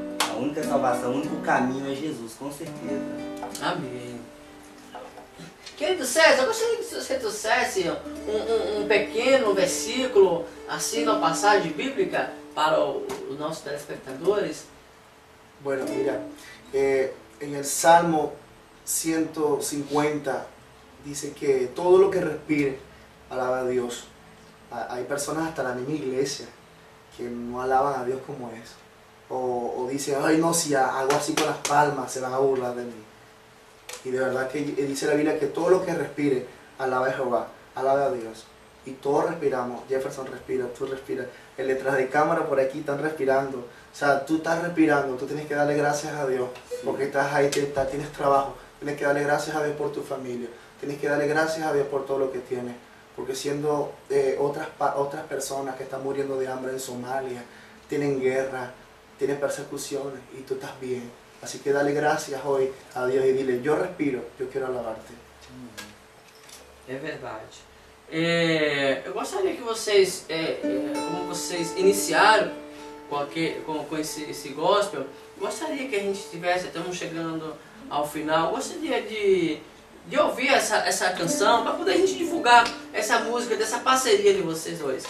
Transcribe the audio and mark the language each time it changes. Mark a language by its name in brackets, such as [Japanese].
[Portuguese] A única salvação, o único caminho é Jesus, com certeza. Amém. Querido César, eu gostaria que você trouxesse um pequeno versículo, assim, uma passagem bíblica para os nossos telespectadores. [Spanish] Bueno, mira, en el Salmo 150 dice que todo lo que respire alaba a Dios. Hay personas hasta la misma iglesia que no alaban a Dios como es. O dicen, ay no, si hago así con las palmas se van a burlar de mí. Y de verdad que dice la Biblia que todo lo que respire alaba a Jehová, alaba a Dios. Y todos respiramos, Jefferson respira, tú respiras. El detrás de cámara por aquí están respirando. O sea, tú estás respirando, tú tienes que darle gracias a Dios. Sí. Porque estás ahí, tienes trabajo. Tienes que darle gracias a Dios por tu familia. Tienes que darle gracias a Dios por todo lo que tienes. Porque siendo otras personas que están muriendo de hambre en Somalia, tienen guerra, tienen persecuciones y tú estás bien. Así que dale gracias hoy a Dios y dile, yo respiro, yo quiero alabarte. Es verdad. [Portuguese] Eu gostaria que vocês, como vocês iniciaram com esse gospel, gostaria que a gente tivesse, estamos chegando ao final, gostaria de ouvir essa canção para poder a gente divulgar essa música, dessa parceria de vocês dois.